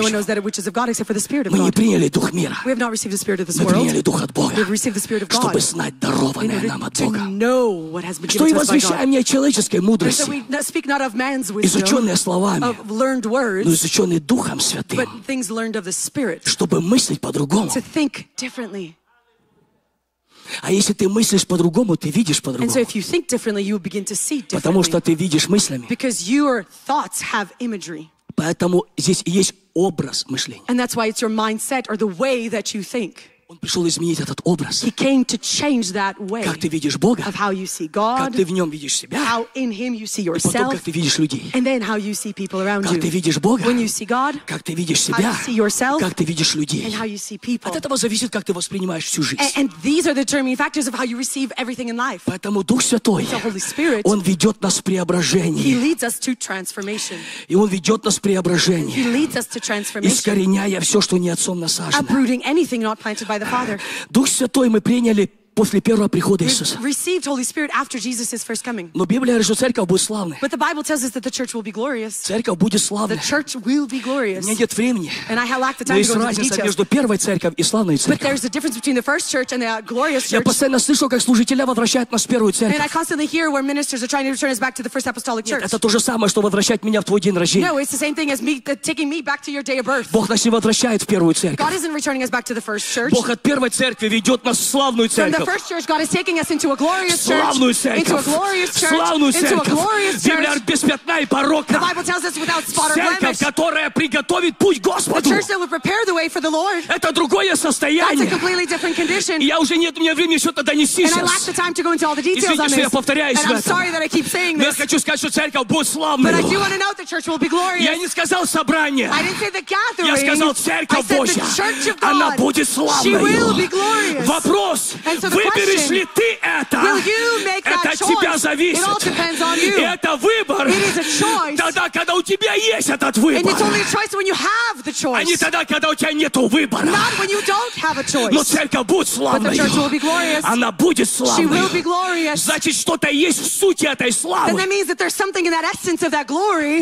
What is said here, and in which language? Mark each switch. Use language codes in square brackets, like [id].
[en] And no one knows that which is of God except for the spirit of [ru] Мы [en] God. [ru] Не приняли Дух мира. [en] We have not received the spirit of this [ru] Мы [en] world. [ru] Приняли Дух от Бога. [en] We have received the spirit of God. [ru] Чтобы знать дарованное нам от Бога. [en] To know what has been [ru] Что [en] given [ru] и возвещаем не о человеческой мудрости. [en] So we speak not of man's wisdom, [ru] изученные словами. [en] Of learned words, [ru] но изученные Духом Святым. [en] But things learned of the spirit. [ru] Чтобы мыслить по-другому. [en] To think differently. [ru] А если ты мыслишь по-другому, ты видишь по-другому. [en] And so if you think differently, you begin to see differently. [ru] Потому что ты видишь мыслями. [en] Because your thoughts have imagery. [ru] Поэтому здесь есть образ мышления. [en] And that's why it's your mindset or the way that you think. [ru] Он пришел изменить этот образ. [en] He came to change that way. [ru] Как ты видишь Бога? [en] Of how you see God. [ru] Как ты в нем видишь себя? [en] How in him you see yourself. [ru] И потом, как ты видишь людей? [en] And then how you see people around [ru] как [en] you. [ru] Как ты видишь Бога? [en] When you see God. [ru] Как ты видишь себя? [en] How you see yourself. [ru] Как ты видишь людей? [en] And how you see people. [ru] От этого зависит, как ты воспринимаешь всю жизнь. [en] And these are the determining factors of how you receive everything in life. [ru] Поэтому Дух Святой. [en] The Holy Spirit. [ru] Он ведет нас в преображение. [en] He leads us to transformation. [ru] И он ведет нас в преображение. [en] He leads us to transformation. [ru] Искореняя все, что не отцом насажено. [en] Uprooting anything not planted by [ru] Дух Святой мы приняли после первого прихода Иисуса. [en] Received Holy Spirit after Jesus's first coming. [ru] Но Библия говорит, что церковь будет славной. [en] But the Bible tells us that the church will be glorious. [ru] Церковь будет славной. [en] The church will be glorious. [ru] У меня нет времени. [en] And I lack the time [ru] Но есть разница между первой церковью и славной церковью. [en] But there's a difference between the first church and the glorious church. [ru] Я постоянно слышу, как служители возвращают нас в первую церковь. [en] And I constantly hear where ministers are trying to return us back to the first apostolic church. [ru] Нет, это то же самое, что возвращать меня в твой день рождения. [en] No, it's the same thing as me taking me back to your day of birth. [ru] Бог нас не возвращает в первую церковь. [en] God isn't returning us back to the first church. [ru] Бог от первой церкви ведет нас в славную церковь. [en] First church, God is taking us into a glorious church. Into a glorious church. [ru] Славную [en] into [ru] церковь. [en] A glorious church. [ru] Библия говорит, без пятна и порока. [en] The Bible tells us without spot [ru] церковь, [en] or blemish. [ru] Которая приготовит путь Господу. [en] The church that will prepare the way for the Lord. [ru] Это другое состояние. [en] That's a completely different condition. [ru] И я уже нет у меня времени что-то донести сейчас. [en] And I lack the time to go into all the details [ru] Извините, [en] on this. [ru] Что я повторяюсь [en] And [ru] в [en] I'm [ru] этом. [en] Sorry that I keep saying this. [ru] Но я хочу сказать, что церковь будет славной. [en] But I do want to know the church will be glorious. [ru] Я не сказал собрание. [en] I didn't say the gathering. [ru] Я сказал церковь Божья. [en] I said the church of God. [ru] Она будет славной. [en] She will be glorious. [ru] Вопрос. [en] So [ru] Выберешь [en] question, [ru] ли ты это? Это от тебя зависит. [en] It all depends on you. [ru] И это выбор. [en] It is a choice. [ru] Тогда, когда у тебя есть этот выбор. [en] And it's only a choice when you have the choice. [ru] А не тогда, когда у тебя нету выбора. [en] Not when you don't have a choice. [ru] Но церковь будет славной. [en] But the church will be glorious. [ru] Она будет славной. [en] She will be glorious. [ru] Значит, что-то есть в сути этой славы. [en] Then that means that there's something in that essence of that glory.